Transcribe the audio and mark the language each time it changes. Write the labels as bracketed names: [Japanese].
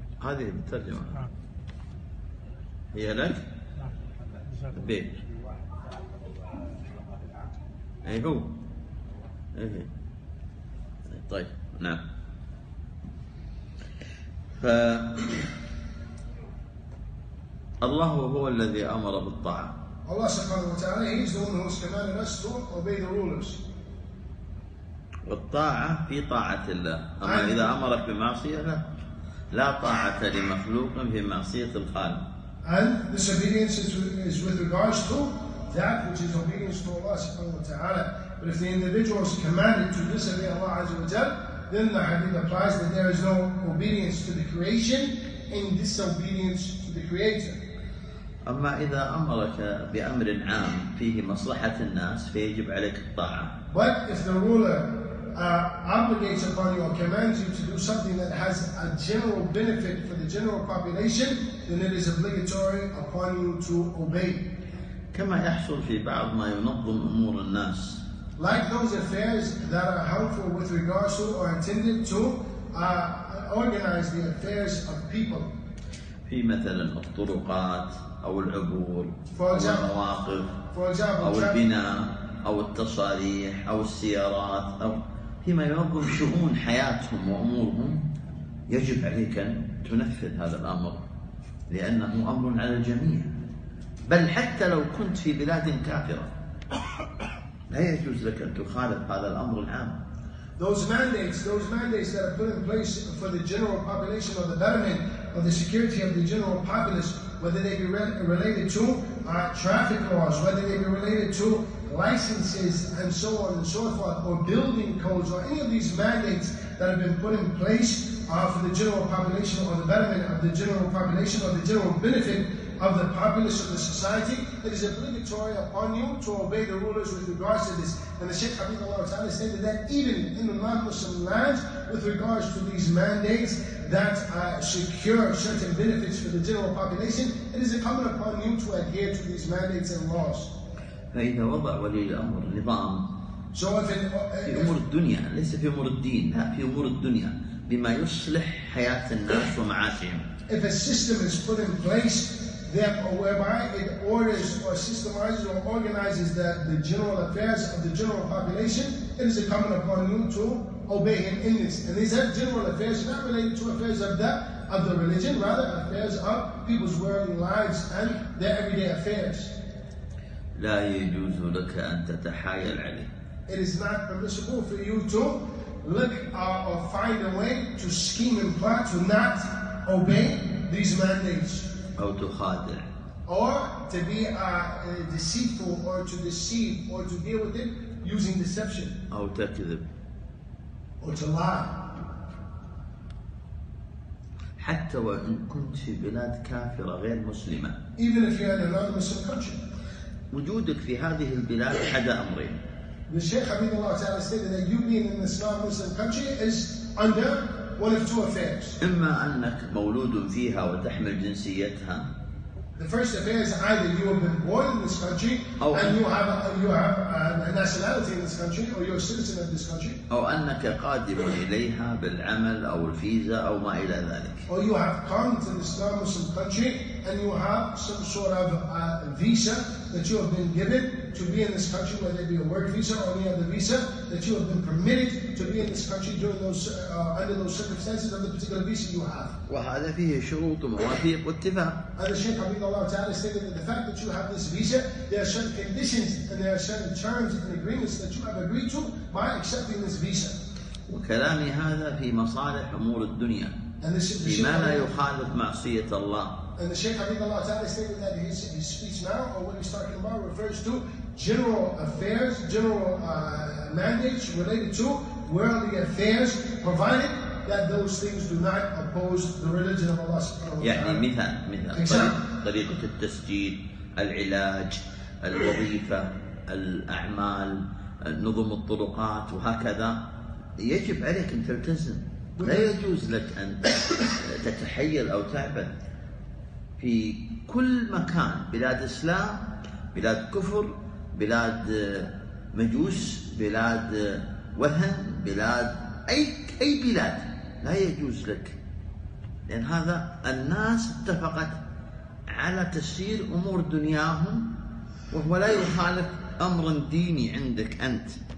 [Arabic] هذه بالترجمة هي لك؟ بيت أي هو؟ أي طيب نعم ف الله هو الذي أمر بالطاعة [English] Allah subhanahu wa ta'ala, He is the one who has commanded us to obey the rulers. [Arabic] والطاعة في طاعة الله. أما إذا أمرك بمعصية لا طاعة لمخلوق في معصية الخالق. [English] And this obedience is with regards to that which is obedience to Allah subhanahu wa ta'ala. But if the individual is commanded to disobey Allah azza wa ta'ala, then the hadith applies that there is no obedience to the creation in disobedience to the Creator. [Arabic] أما إذا أمرك بأمر عام فيه مصلحة الناس فيجب عليك الطاعة. [English] But if the ruler obligates upon you or commands you to do something that has a general benefit for the general population, then it is obligatory upon you to obey. [Arabic] كما يحصل في بعض ما ينظم أمور الناس. [English] Like those affairs that are helpful with regards to or intended to organize the affairs of people. [Arabic] في مثلا الطرقات. أو العبور [English] example, [Arabic] أو المواقف [English] example, [Arabic] أو البناء أو التصاريح أو السيارات أو فيما ينظم شؤون حياتهم وأمورهم يجب عليك أن تنفذ هذا الأمر لأنه أمر على الجميع بل حتى لو كنت في بلاد كافرة لا يجوز لك أن تخالف هذا الأمر العام [English] Those mandates that are put in place for the general population or the betterment of the security of the general populace whether they be related to traffic laws, whether they be related to licenses and so on and so forth, or building codes, or any of these mandates that have been put in place for the general population or the betterment of the general population or the general benefit of the populace of the society, it is obligatory upon you to obey the rulers with regards to this. And the Shaykh Habibullah Ta'ala stated that even in the non-Muslim lands, with regards to these mandates, that secure certain benefits for the general population, it is incumbent upon you to adhere to these mandates and laws. [Arabic] فإذا وضع ولي الأمر نظام [English] so [Arabic] في أمور الدنيا ليس في أمور الدين لا في أمور الدنيا بما يصلح حياة الناس ومعاشهم. [English] If a system is put in place whereby it orders or systemizes or organizes the general affairs of the general population, it is incumbent upon you to obey him in this. And these are general affairs, not related to affairs of the religion, rather affairs of people's worldly lives and their everyday affairs. [Arabic] لا يجوز لك أن تتحايل عليه. [English] It is not permissible for you to look or find a way to scheme and plot to not obey these mandates. [Arabic] أو تخادع. [English] Or to be deceitful or to deceive or to deal with it using deception. [Arabic] أو تكذب. [English] Or to lie. [Arabic] حتى وإن كنت في بلاد كافرة غير مسلمة. [English] Even if you're in a non-Muslim country. [Arabic] وجودك في هذه البلاد أحد أمرين. [English] The Shaykh Habibullah Ta'ala stated that you being in this non-Muslim country is under one of two affairs. [Arabic] إما أنك مولود فيها وتحمل جنسيتها. [English] The first affair is either you have been born in this country and you have a nationality in this country, or you're a citizen of this country. [Arabic] أو أنك قادم إليها بالعمل أو الفيزا أو ما إلى ذلك. [English] Or you have come to this Muslim country and you have some sort of a visa that you have been given to be in this country, whether it be a work visa or any other visa, that you have been permitted to be in this country during those under those circumstances of the particular visa you have. [Arabic] وهذا فيه شروط ومواثيق واتفاق. [English] And the Shaykh Habibullah Ta'ala stated that the fact that you have this visa, there are certain conditions and there are certain terms and agreements that you have agreed to by accepting this visa. [Arabic] وكلامي هذا في مصالح أمور الدنيا. [English] And this is [Arabic] ما لا يخالف معصية الله. [English] And the Shaykh Habibullah Ta'ala stated that his speech now, or what he's talking about, refers to general affairs, general mandates related to worldly affairs, provided that those things do not oppose the religion of Allah subhanahu wa ta'ala. [Arabic] طريقة التسجيل, العلاج, الوظيفة, الأعمال, نظم الطرقات وهكذا, يجب عليك أن تلتزم. لا يجوز لك أن تتحيل أو تعبث في كل مكان, بلاد إسلام, بلاد كفر, بلاد مجوس, بلاد وهم, بلاد أي بلاد, لا يجوز لك, لأن هذا الناس اتفقت على تسيير أمور دنياهم وهو لا يخالف أمر ديني عندك أنت.